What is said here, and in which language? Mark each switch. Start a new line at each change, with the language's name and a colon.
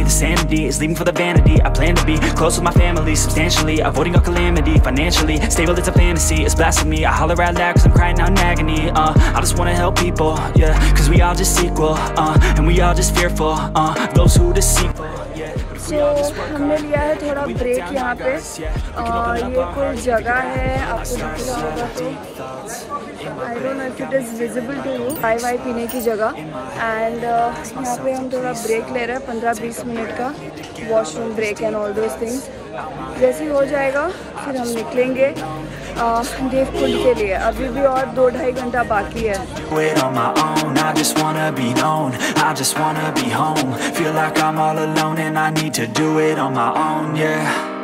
English: The sanity is leaving for the vanity. I plan to be close with my family, substantially avoiding all calamity. Financially stable, it's a fantasy, it's blasphemy. I holler out loud cause I'm crying out in agony. I just wanna help people, yeah, cause we all just equal. And we all just fearful, those who deceitful.
Hindi: So, हमने लिया है थोड़ा break यहाँ पे, और ये कोई जगह है आपको दिख रहा होगा, तो
English: I don't know if it is visible to you,
Hindi: चाय वाय पीने की जगह। एंड यहाँ पे हम थोड़ा ब्रेक ले रहे हैं 15-20 मिनट का,
English: Washroom break and all those things.
Hindi: जैसे ही हो जाएगा फिर हम निकलेंगे देवकुंड के लिए, अभी भी और 2-2.5 घंटा बाकी है।
English: Wait on my own, I just wanna be known, I just wanna be home. Feel like I'm all alone and I need to do it on my own, yeah.